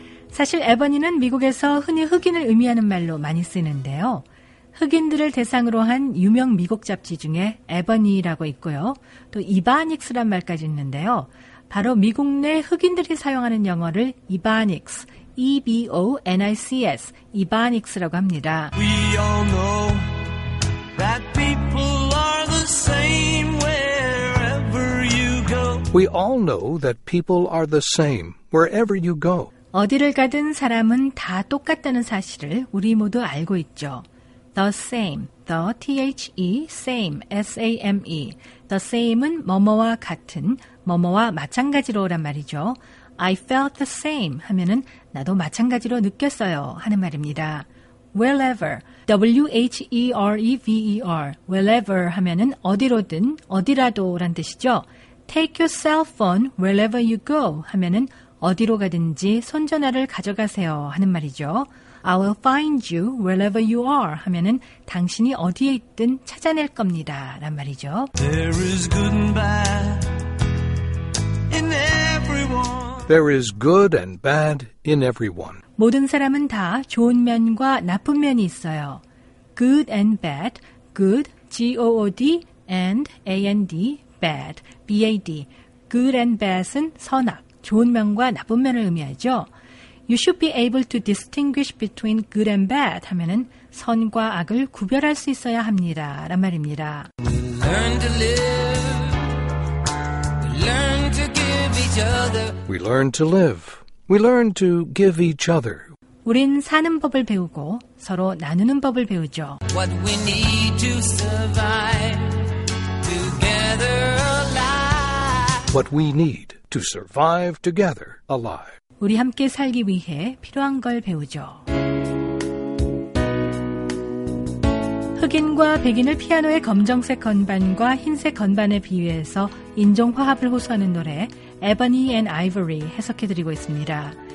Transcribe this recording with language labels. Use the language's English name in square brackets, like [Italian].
[Korean] 사실 에버니는 미국에서 흔히 흑인을 의미하는 말로 많이 쓰는데요. 흑인들을 대상으로 한 유명 미국 잡지 중에 에버니라고 있고요. 또 이바닉스란 말까지 있는데요. 바로 미국 내 흑인들이 사용하는 영어를 이바닉스, E-B-O-N-I-C-S, 이바닉스라고 합니다. [English] We all know that people are the same wherever you go. We all know that people are the same wherever you go. [Korean] 어디를 가든 사람은 다 똑같다는 사실을 우리 모두 알고 있죠. [English] The same, the T-H-E, same, S-A-M-E. [Korean] The same은 뭐뭐와 같은, 뭐뭐와 마찬가지로란 말이죠. [English] I felt the same [Korean] 하면은 나도 마찬가지로 느꼈어요 하는 말입니다. wherever, wherever, wherever 하면은 어디로든 어디라도란 뜻이죠. [English] Take your cell phone wherever you go [Korean] 하면은 어디로 가든지 손전화를 가져가세요 하는 말이죠. [English] I will find you wherever you are [Korean] 하면은 당신이 어디에 있든 찾아낼 겁니다 라는 말이죠. [English] There is good and bad in everyone. There is good and bad in everyone. [Korean] 모든 사람은 다 좋은 면과 나쁜 면이 있어요. [English] Good and bad. Good, G-O-O-D, and A-N-D, bad, B-A-D. [Korean] Good and bad은 선악, 좋은 면과 나쁜 면을 의미하죠. [English] You should be able to distinguish between good and bad [Korean] 하면은 선과 악을 구별할 수 있어야 합니다. 라는 말입니다. [English] Learn to live. Learn to give each other. We learn to live. We learn to give each other. [Korean] 우린 사는 법을 배우고 서로 나누는 법을 배우죠. [English] What we need to survive together alive. What we need to survive together alive. [Korean] 우리 함께 살기 위해 필요한 걸 배우죠. 흑인과 백인을 피아노의 검정색 건반과 흰색 건반에 비유해서 인종화합을 호소하는 노래 Ebony and Ivory 해석해드리고 있습니다.